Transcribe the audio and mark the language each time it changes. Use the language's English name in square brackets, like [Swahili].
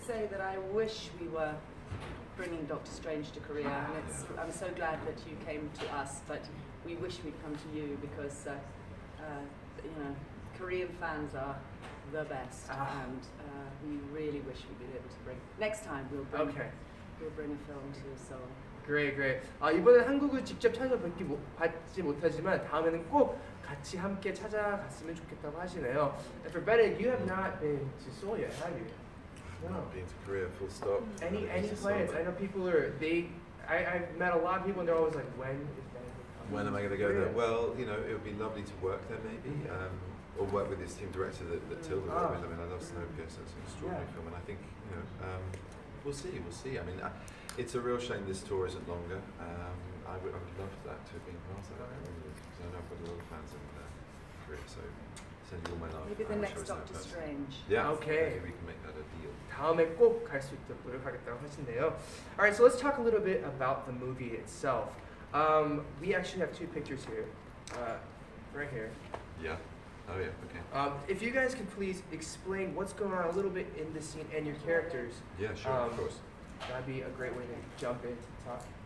[English] To say that I wish we were bringing Doctor Strange to Korea, and it's, I'm so glad that you came to us, but we wish we'd come to you, because, you know, Korean fans are the best, and we really wish we'd be able to bring, next time we'll bring, okay. We'll bring a film to Seoul. Great, great. [Korean] 이번에 한국을 직접 찾아뵙기 받지 못하지만 다음에는 꼭 같이 함께 찾아갔으면 좋겠다고 하시네요. [English] And for Benedict, you have not been to Seoul yet, have you? No. Not been to Korea, full stop. Any plans? I know people are. I've met a lot of people, and they're always like, "When is Benedict coming? When am I going to go there?" Well, you know, it would be lovely to work there, maybe, or work with this team director that Tilda worked with. I mean, I love Snowpiercer. It's an extraordinary film, and I think you know. We'll see. I mean, it's a real shame this tour isn't longer. I would love that to have been part of that. I know I've got a lot of fans in Korea, so send you all my love. Maybe the next Doctor Strange. Yeah. Okay. Maybe we can make that a deal. [Korean] 다음에 꼭 갈 수 있도록 노력하겠다고 하신대요. [English] All right, so let's talk a little bit about the movie itself. We actually have two pictures here. Right here. Yeah. Oh yeah, okay. If you guys could please explain what's going on a little bit in the scene and your characters. Yeah, sure, of course. That'd be a great way to jump in to talk.